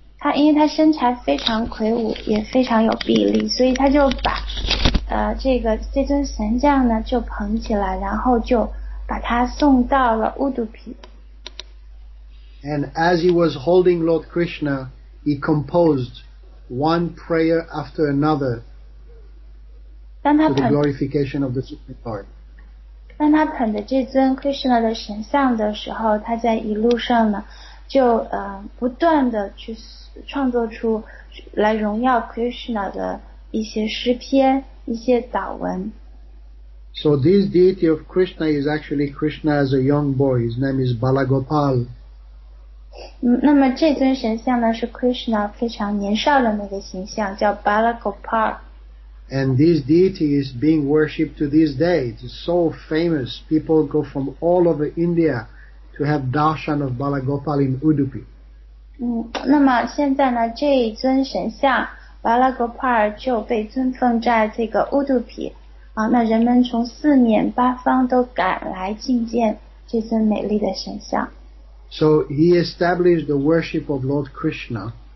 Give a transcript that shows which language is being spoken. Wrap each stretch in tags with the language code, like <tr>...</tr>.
<zh>他因为他身材非常魁梧，也非常有臂力，所以他就把这尊神像呢就捧起来，然后就把它送到了Udupi。</zh> <en>And as he was holding Lord Krishna, he composed one prayer after another for the glorification of the Supreme Lord.</en> <zh>当他捧着这尊 Krishna 的神像的时候，他在一路上呢。就不断地去创作出来荣耀 Krishna的一些诗篇 一些祷文</zh> <en>So this deity of Krishna is actually Krishna as a young boy. His name is Balagopal.</en> <zh>那么这尊神像呢 是Krishna非常年少的那个形象 叫Balagopal.</zh> <en>And this deity is being worshipped to this day. It's so famous. People go from all over India to have darshan of Balagopal in Udupi.</en> <zh>那么现在呢，这一尊神像 Balagopal 就被尊奉在这个 Udupi. 那人们从四面八方都赶来觐见这尊美丽的神像.</zh> <en>So he established the worship of Lord Krishna.</en>